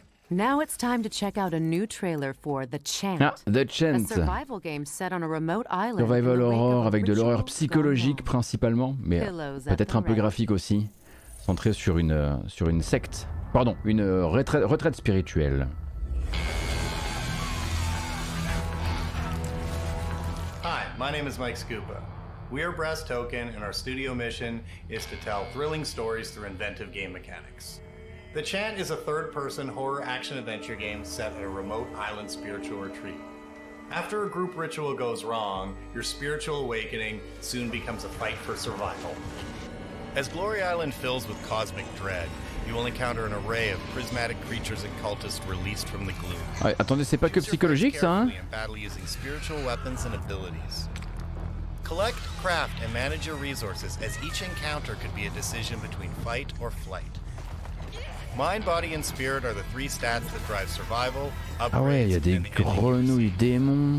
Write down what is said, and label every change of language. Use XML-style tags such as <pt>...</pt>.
<en>Now it's time to check out a new trailer for The Chant.</en> <fr>Ah, The Chant.</fr> <en>A survival game set on a remote island.</en> <fr>Survival horror avec de l'horreur psychologique principalement, mais peut-être un peu graphique aussi, centré sur une secte. Pardon, une retraite spirituelle.</fr> <en>Hi, my name is Mike Scupa. We are Brass Token and our studio mission is to tell thrilling stories through inventive game mechanics. The Chant is a third-person horror action-adventure game set at a remote island spiritual retreat. After a group ritual goes wrong, your spiritual awakening soon becomes a fight for survival. As Glory Island fills with cosmic dread, you will encounter an array of prismatic creatures and cultists released from the gloom.</en> <fr>Ouais, attendez, c'est pas que psychologique, ça, hein?</fr> <en>And battle using spiritual weapons and abilities. Collect, craft, and manage your resources, as each encounter could be a decision between fight or flight. Mind, body and spirit are the three stats that drive survival.</en> <fr>Ah ouais, il y a des grenouilles démons.</fr>